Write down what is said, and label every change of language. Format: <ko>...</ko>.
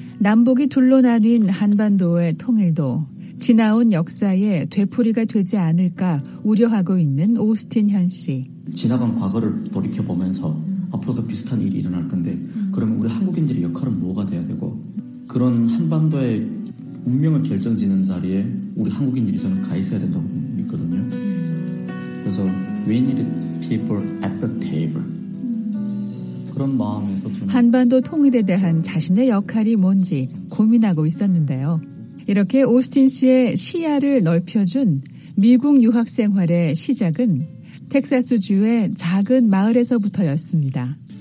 <ko>남북이 둘로 나뉜 한반도의 통일도 지나온 역사에 되풀이가 되지 않을까 우려하고 있는 오스틴 현 씨. 지나간 과거를 돌이켜보면서 앞으로도 비슷한 일이 일어날 건데 그러면 우리 한국인들의 역할은 뭐가 돼야 되고 그런 한반도의 운명을 결정짓는 자리에 우리 한국인들이 저는 가 있어야 된다고 믿거든요.</ko> <en>그래서 we need people at the table.</en> <ko>그런 마음에서 좀 한반도 통일에 대한 자신의 역할이 뭔지 고민하고 있었는데요. 이렇게 오스틴 씨의 시야를 넓혀준 미국 유학 생활의 시작은 텍사스주의 작은 마을에서부터였습니다.</ko>